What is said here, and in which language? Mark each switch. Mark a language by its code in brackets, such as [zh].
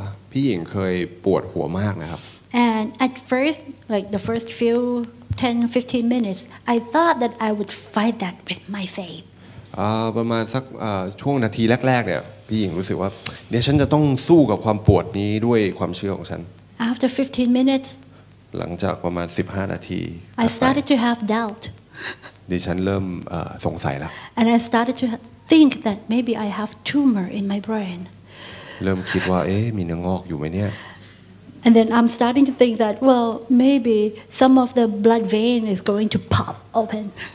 [th] พี่หญิงเคยปวดหัวมากนะครับ [en] And at first, like the first few 10-15 minutes, I thought that I would fight that with my faith. [th] ประมาณสักช่วงนาทีแรกๆเนี่ยพี่หญิงรู้สึกว่าเดี๋ยวฉันจะต้องสู้กับความปวดนี้ด้วยความเชื่อของฉัน [en] After 15 minutes, [th] หลังจากประมาณ15นาที [en] I started to have doubt. [th] ดิฉันเริ่มสงสัยแล้ว [en] And I started to think that maybe I have tumor in my brain. [th] เริ่มคิดว่าเอ๊ะมีเนื้องอกอยู่ไหมเนี่ย [en] And then I'm starting to think that, well, maybe some of the blood vein is going to pop open.